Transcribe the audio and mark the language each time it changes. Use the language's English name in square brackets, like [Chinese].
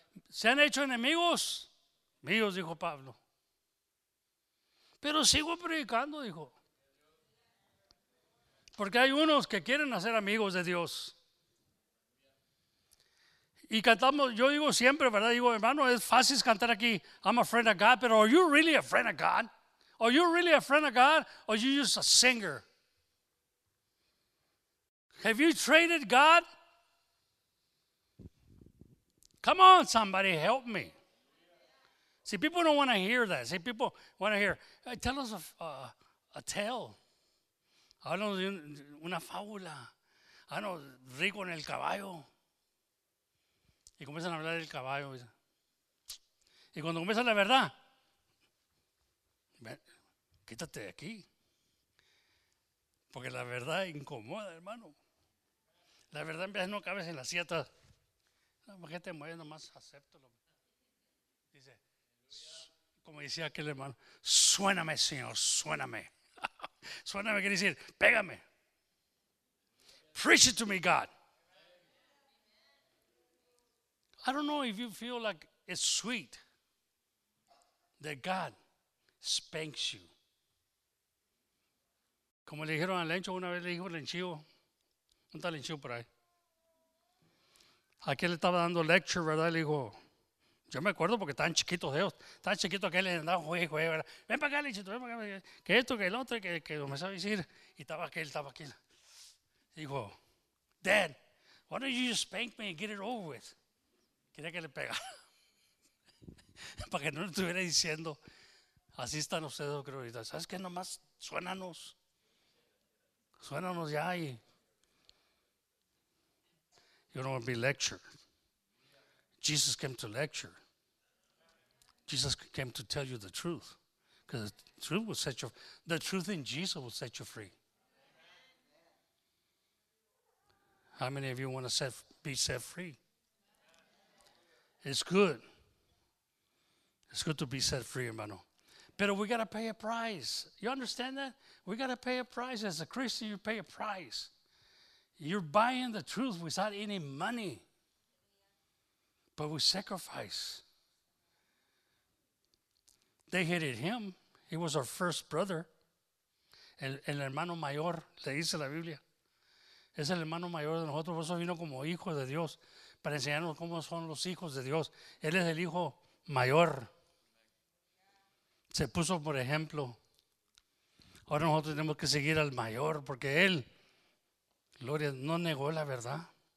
[Spanish] Se han hecho enemigos míos, dijo Pablo. Pero sigo predicando, dijo. Porque hay unos que quieren hacer amigos de Dios. Y cantamos, yo digo siempre, ¿verdad? Digo, hermano, es fácil cantar aquí, [English] I'm a friend of God, [Spanish] pero [English] are you really a friend of God? Are you really a friend of God? Or are you just a singer? Have you traded God? Come on, somebody, help me. See, people don't want to hear that. See, people want to hear, hey, tell us a tale. [Spanish] Háblanos de una fábula. Háblanos rico en el caballo. Y comienzan a hablar del caballo. Y cuando comienza la verdad, ven, quítate de aquí. Porque la verdad incomoda, hermano. La verdad en vez no cabes en la sieta. ¿Por qué te mueves nomás? Acepto. Dice, como decía aquel hermano, suéname, Señor, suéname. Suéname quiere decir, pégame. [English] Preach it to me, God. I don't know if you feel like it's sweet that God spanks you. [Spanish] Como le dijeron al Lencho, una vez le dijo Lenchivo. ¿Dónde está Lenchivo por ahí? Aquel estaba dando lecture, ¿verdad? Le dijo, yo me acuerdo porque estaban chiquitos ellos. Estaban chiquitos aquel, andaban juegue, ¿verdad? Ven para acá, lechito, ven para acá. Que esto, que el otro, que no me sabe decir. Y estaba aquel, estaba aquel. Dijo, [English] Dad, why don't you just spank me and get it over with? [Spanish] Quería que le pegara. Para que no le estuviera diciendo, así están ustedes, creo. Ahorita. ¿Sabes qué? Nomás suénanos. Suénanos ya y... [English] You don't want to be lectured. Jesus came to lecture. Jesus came to tell you the truth. Because the truth in Jesus will set you free. How many of you want to be set free? It's good. It's good to be set free, [Spanish] hermano. [English] But we got to pay a price. You understand that? We got to pay a price. As a Christian, you pay a price. You're buying the truth without any money, but with sacrifice. They hated him. He was our first brother. [Spanish] El hermano mayor, le dice la Biblia. Es el hermano mayor de nosotros. Por eso vino como hijo de Dios, para enseñarnos cómo son los hijos de Dios. Él es el hijo mayor. Se puso por ejemplo. Ahora nosotros tenemos que seguir al mayor, porque él, gloria, no negó la verdad.